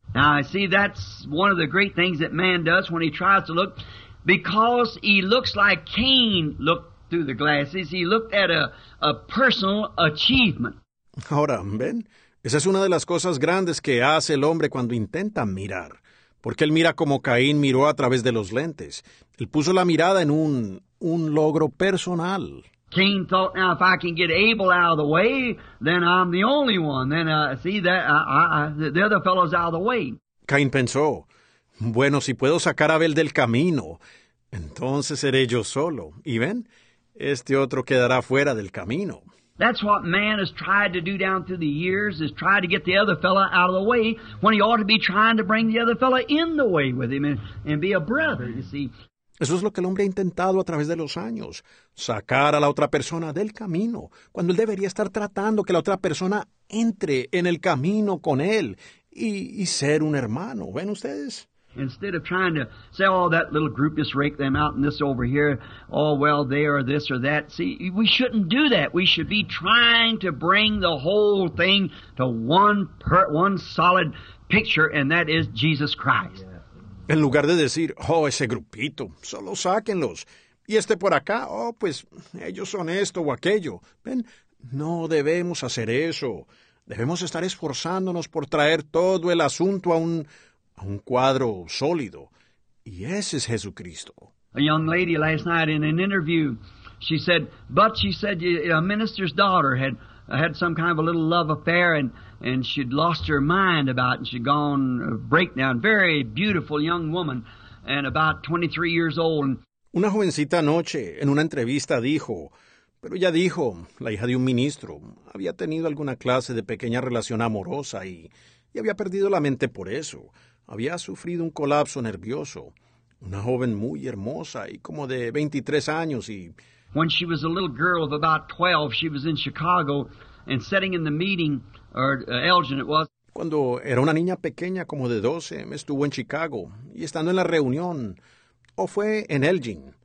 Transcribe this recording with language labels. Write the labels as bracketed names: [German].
[English] Now, see, that's one of the great things that man does when he tries to look, because he looks like Cain looked through the glasses, he looked at a personal achievement. [Spanish] Ahora, ¿ven? Esa es una de las cosas grandes que hace el hombre cuando intenta mirar. Porque él mira como Caín miró a través de los lentes. Él puso la mirada en un logro personal. [English] Cain thought, now if I can get Abel out of the way, then I'm the only one. Then the other fellow's out of the way. [Spanish] Caín pensó, bueno, si puedo sacar a Abel del camino, entonces seré yo solo. ¿Y ven? Este otro quedará fuera del camino. [English] That's what man has tried to do down through the years, is try to get the other fellow out of the way when he ought to be trying to bring the other fellow in the way with him and be a brother, you see. [Spanish] Eso es lo que el hombre ha intentado a través de los años, sacar a la otra persona del camino, cuando él debería estar tratando que la otra persona entre en el camino con él y ser un hermano. ¿Ven ustedes? [English] Instead of trying to say, oh, that little group, just rake them out and this over here, oh, well, they are this or that. See, we shouldn't do that. We should be trying to bring the whole thing to one solid picture, and that is Jesus Christ. [Spanish] En lugar de decir, oh, ese grupito, solo sáquenlos. Y este por acá, oh, pues, ellos son esto o aquello. Ven, no debemos hacer eso. Debemos estar esforzándonos por traer todo el asunto a un cuadro sólido. Y ese es Jesucristo. [English] A young lady last night in an interview, she said, but she said a minister's daughter had some kind of a little love affair and she'd lost her mind about it and she'd gone breakdown. Very beautiful young woman and about 23 years old. [Spanish] Una jovencita anoche en una entrevista dijo, pero ella dijo, la hija de un ministro, había tenido alguna clase de pequeña relación amorosa y había perdido la mente por eso. Había sufrido un colapso nervioso. Una joven muy hermosa y como de 23 años y... [English] When she was a little girl of about 12, she was in Chicago and sitting in the meeting, or Elgin it was. [Spanish] Cuando era una niña pequeña como de 12, estuvo en Chicago y estando en la reunión, fue en Elgin.